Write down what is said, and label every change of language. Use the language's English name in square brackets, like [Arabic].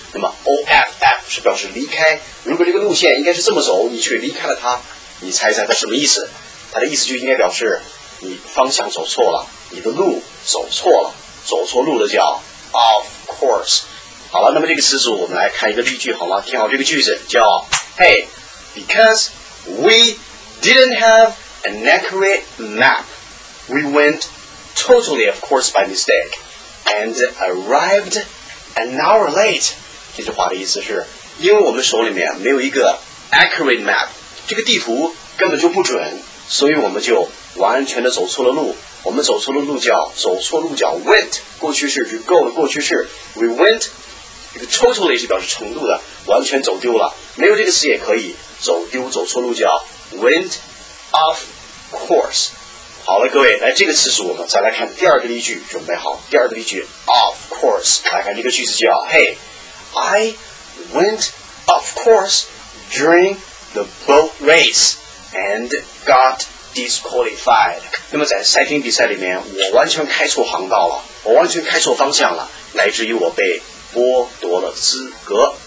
[Chinese] 那么 O F F 是表示离开，如果这个路线应该是这么走，你却离开了它，你猜一猜它什么意思？它的意思就应该表示你方向走错了，你的路走错了，走错路了叫 off course。好了，那么这个词组我们来看一个例句好吗？听好这个句子叫 Hey。 [English] Because we didn't have an accurate map, we went totally, of course, by mistake, and arrived an hour late. [Chinese] 这句话的意思是，因为我们手里面没有一个 accurate map, 这个地图根本就不准，所以我们就完全的走错了路。我们走错了路角，走错路角 went 过去式是 go 的过去式 ，we went 这个 totally 是表示程度的，完全走丢了。没有这个词也可以。走丢走错路叫 went off course。好了各位，来这个词组我们再来看第二个例句，准备好第二个例句 off course。来看这个句子叫 [English] Hey I went off course during the boat race and got disqualified。 [Chinese] 那么在赛艇比赛里面我完全开错航道了，我完全开错方向了，乃至于我被剥夺了资格。